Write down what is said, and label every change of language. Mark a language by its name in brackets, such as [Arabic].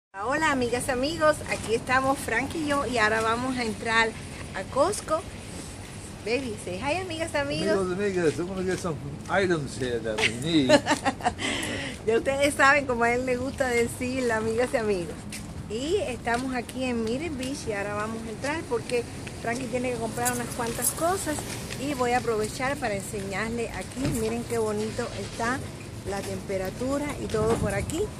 [Spanish] Hola amigas y amigos, aquí estamos Frank y yo y ahora vamos a entrar a Costco. [English] Baby, say hi [Spanish] amigas y amigos. [English] Amigos, I'm gonna get some items here that we need. [Spanish] Ya ustedes saben como a él le gusta decir amigas y amigos. Y estamos aquí en Miren Beach y ahora vamos a entrar porque Frankie tiene que comprar unas cuantas cosas y voy a aprovechar para enseñarle aquí. Miren qué bonito está la temperatura y todo por aquí.